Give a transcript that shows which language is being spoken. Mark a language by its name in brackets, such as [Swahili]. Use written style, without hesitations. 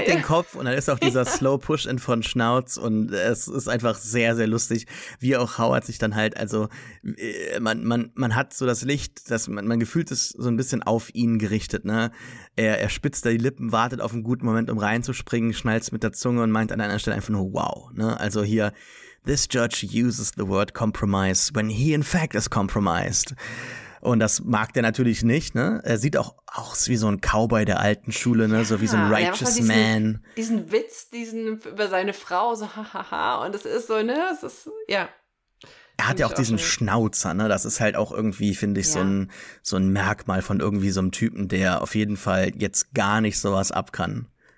[German] Dreht den Kopf und dann ist auch dieser Slow Push in von Schnauz und es ist einfach sehr, sehr lustig, wie auch Howard sich dann halt, also man hat so das Licht, dass man gefühlt ist so ein bisschen auf ihn gerichtet, ne? Er spitzt da die Lippen, wartet auf einen guten Moment, um reinzuspringen, schnallt mit der Zunge und meint an einer Stelle einfach nur wow, ne? Also hier, [English] this judge uses the word compromise when he in fact is compromised. [German] Und das mag der natürlich nicht, ne? Er sieht auch aus wie so ein Cowboy der alten Schule, ne? Ja, so wie so ein [English] righteous man. [German] Diesen Witz, diesen über seine Frau, so hahaha. Und es ist so, ne? Es ist, ja. Er hat ja auch diesen Schnauzer, ne? Das ist halt auch irgendwie, finde ich, so ein Merkmal von irgendwie so einem Typen, der auf jeden Fall jetzt gar nicht sowas ab kann.